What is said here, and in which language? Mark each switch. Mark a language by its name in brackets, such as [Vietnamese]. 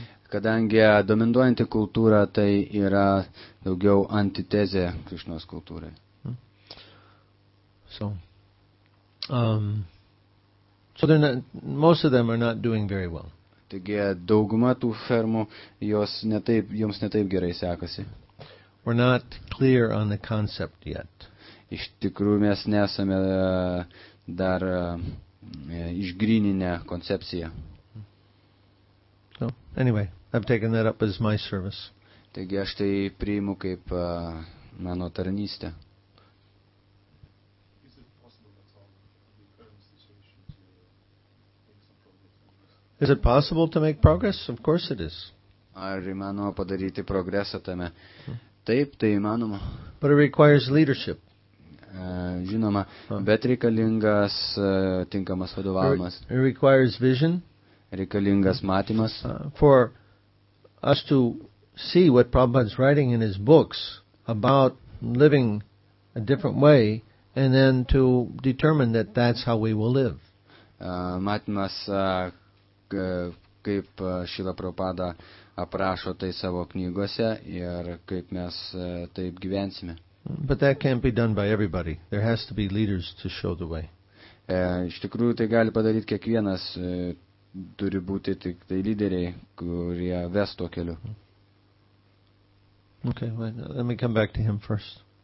[Lithuanian] Kadangi dominuojanti kultūra, tai yra daugiau antitezė Krišnos kultūrai. [English] So they're not, most of them are not doing very well. [Lithuanian] Taigi dauguma tų fermų joms ne taip gerai sekasi. [English] We're not clear on the concept yet. [Lithuanian] Iš tikrųjų mes nesame dar išgryninę koncepciją. [English] So, anyway, I've taken that up as my service. [Lithuanian] Taigi aš tai priimu kaip mano tarnystę. [English] Is it possible to make progress? Of course it is. [Lithuanian] Ar įmanoma padaryti progresą tame? Taip, tai įmanoma. [English] But it requires leadership. [Lithuanian] Žinoma, bet reikalingas tinkamas vadovavimas. [English] It requires vision. [Lithuanian] Reikalingas matymas. [English] For us to see what Prabhupada is writing in his books about living a different way and then to determine that that's how we will live. [Lithuanian] Matymas, kaip Šila Prabhupada aprašo tai savo knygose ir kaip mes taip gyvensime. [English] But that can't be done by everybody. There has to be leaders to show the way. [Lithuanian] Iš tikrųjų tai gali padaryti kiekvienas, turi būti tik tai lyderiai, kurie ves to keliu. [English] Okay, well, let me come back to him first.